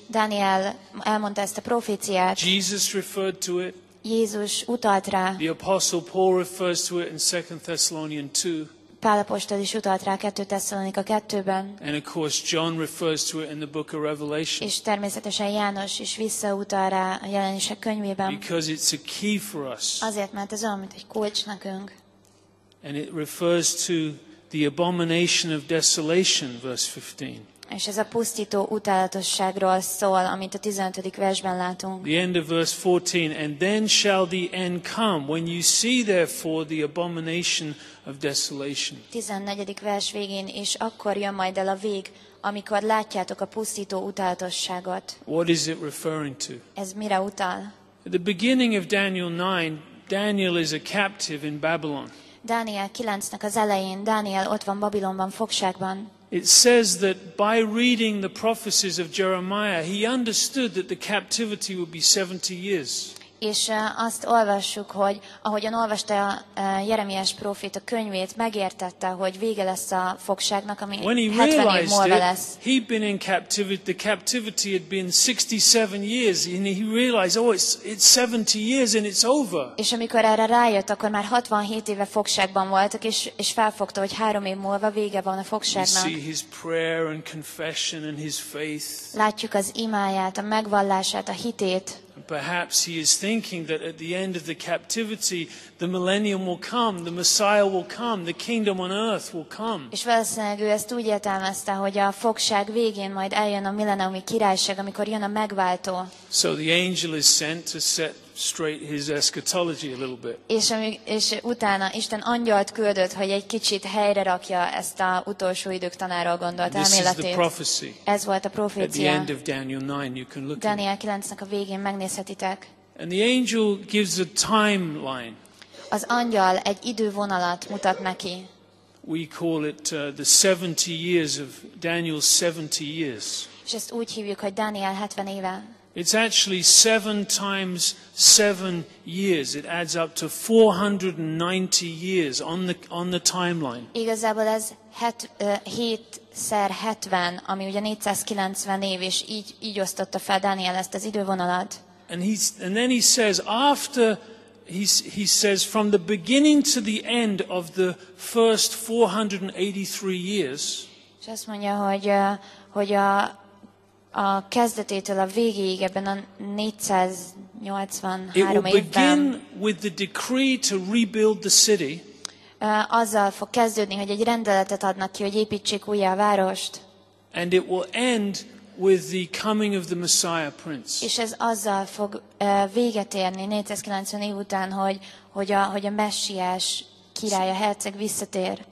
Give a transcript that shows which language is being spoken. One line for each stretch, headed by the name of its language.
Hungarian: Daniel elmondta ezt a proféciát.
English: Jesus referred to it.
Hungarian: Jézus utalt rá.
English: The apostle Paul refers to it in 2 Thessalonians 2.
Hungarian: Pál apostol is utalt rá 2 Tesszalonika 2-ben.
English: And of course John refers to it in the book of Revelation.
Hungarian: És természetesen János is visszautal rá a Jelenések könyvében.
English: Because it's a key for us.
Hungarian: Azért, mert ez olyan, mint egy kulcs nekünk.
English: And it refers to the abomination of desolation, verse 15.
Hungarian: És ez a pusztító utálatosságról szól, amit a 15. versben látunk.
English: The end of verse 14, and then shall the end come, when you see therefore the abomination of desolation.
Hungarian: 14. vers végén, és akkor jön majd el a vég, amikor látjátok a pusztító utálatosságot.
English: What is it referring to?
Hungarian: Ez mire utal?
English: At the beginning of Daniel 9, Daniel is a captive in Babylon.
Hungarian: Dániel 9-nek az elején Dániel ott van Babilonban fogságban.
English: It says that by reading the prophecies of Jeremiah, he understood that the captivity would be 70 years.
Hungarian: És azt olvassuk, hogy ahogyan olvasta a Jeremiás prófét a könyvét, megértette, hogy vége lesz a fogságnak, ami 70 év múlva lesz.
English: He'd been in captivity, the captivity had been 67 years, and he realized, oh, it's 70 years and it's over.
Hungarian: És amikor erre rájött, akkor már 67 éve fogságban voltak, és felfogta, hogy 3 év múlva vége van a fogságnak.
English: You see his prayer and confession and his faith.
Hungarian: Látjuk az imáját, a megvallását, a hitét.
English: Perhaps he is thinking that at the end of the captivity, the millennium will come, the Messiah will come, the kingdom on earth will come.
Hungarian: És valószínűleg ő ezt úgy értelmezte, hogy a fogság végén majd eljön a milleniumi királyság, amikor jön a megváltó.
English: So the angel is sent to set straight his eschatology a little bit.
Hungarian: És utána Isten angyalt küldött, hogy egy kicsit helyre rakja ezt a utolsó idők tanára gondolt elméletét. Ez volt a profécia.
English: At the end of Daniel 9 you can look.
Hungarian: Daniel 9-nek a végén megnézhetitek.
English: And the angel gives a timeline.
Hungarian: Az angyal egy idővonalat mutat neki.
English: We call it the 70 years of Daniel's 70 years.
Hungarian: És ezt úgy hívjuk, hogy Daniel 70 éve.
English: It's actually 7 times 7 years. It adds up to 490 years on the timeline.
Hungarian: Igazából ez 7x70, ami ugye 490 év, és így osztotta fel Daniel ezt az idővonalat.
English: And then he says from the beginning to the end of the first 483 years.
Hungarian: És azt mondja, hogy a kezdetétől a végéig ebben a 483 évben.
English: It will begin with the decree to rebuild the city.
Hungarian: Azzal fog kezdődni, hogy egy rendeletet adnak ki, hogy építsék újjá a várost.
English: And it will end with the coming of the Messiah prince.
Hungarian: És ez azzal fog véget érni 490 év után, hogy a Messiás király, a herceg visszatér.